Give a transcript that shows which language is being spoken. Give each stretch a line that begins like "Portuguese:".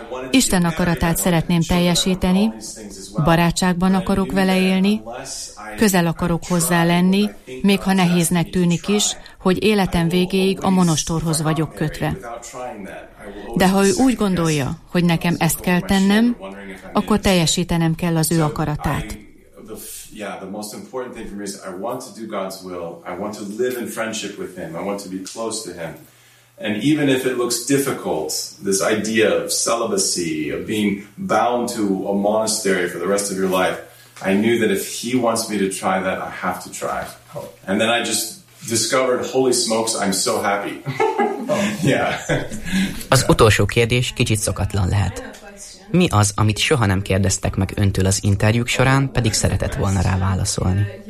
Hungarian: Isten akaratát szeretném teljesíteni, barátságban akarok vele élni, közel akarok hozzá lenni, még ha nehéznek tűnik is, hogy életem végéig a monostorhoz vagyok kötve. De ha ő úgy gondolja, hogy nekem ezt kell tennem, akkor teljesítenem kell az ő akaratát.
English: Yeah, the most important thing for me is I want to do God's will. I want to live in friendship with Him. I want to be close to Him. And even if it looks difficult, this idea of celibacy, of being bound to a monastery for the rest of your life, I knew that if He wants me to try that, I have to try. And then I just discovered, holy smokes, I'm so happy. Yeah.
Hungarian: Az utolsó kérdés kicsit szokatlan lehet. Mi az, amit soha nem kérdeztek meg öntől az interjúk során, pedig szeretett volna rá válaszolni?